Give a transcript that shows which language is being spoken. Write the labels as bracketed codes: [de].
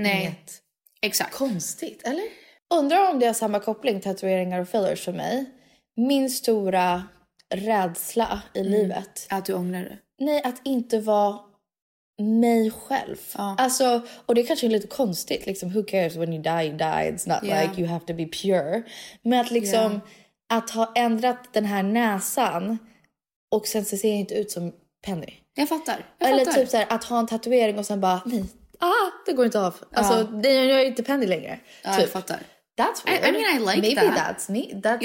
[sv] inget exakt. Konstigt, eller? Undrar om det har samma koppling, tatueringar och fillers, för mig. Min stora rädsla i livet... Att du ångrar det? Nej, att inte vara mig själv. Ah. Alltså, och det är kanske lite konstigt, liksom... [en] Who cares when you die, you die. It's not like you have to be pure. [sv] Men att liksom... [en] Yeah. [sv] Att ha ändrat den här näsan och sen så ser jag inte ut som Penny. Jag fattar. Eller typ så här, att ha en tatuering och sen bara, det går inte av. Alltså, jag är inte Penny längre. Ja, typ. Jag fattar. [en] That's weird. I mean, I like maybe that. Maybe that's me. That's